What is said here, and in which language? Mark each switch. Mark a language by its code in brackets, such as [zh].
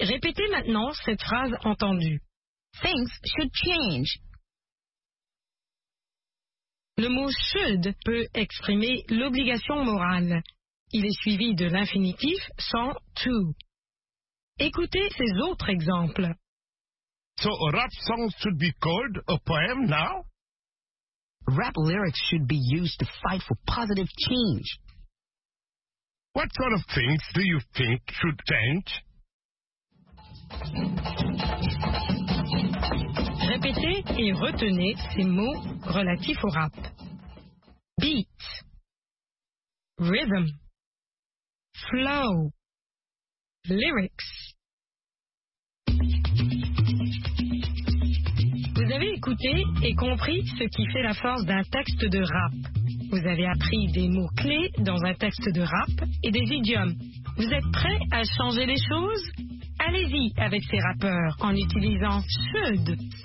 [fr] Répétez maintenant cette phrase entendue. [en] Things should change. [fr] Le mot « should » peut exprimer l'obligation morale. Il est suivi de l'infinitif sans « to ». Écoutez ces autres exemples. [en] So a rap song should be called a poem now? Rap lyrics should be used to fight for positive change. What sort of things do you think should change? [fr] Répétez et retenez ces mots relatifs au rap. [en] Beat, rhythm, flow, lyrics. [fr] Vous avez écouté et compris ce qui fait la force d'un texte de rap. Vous avez appris des mots clés dans un texte de rap et des idiomes. Vous êtes prêt à changer les choses? Allez-y avec ces rappeurs en utilisant should.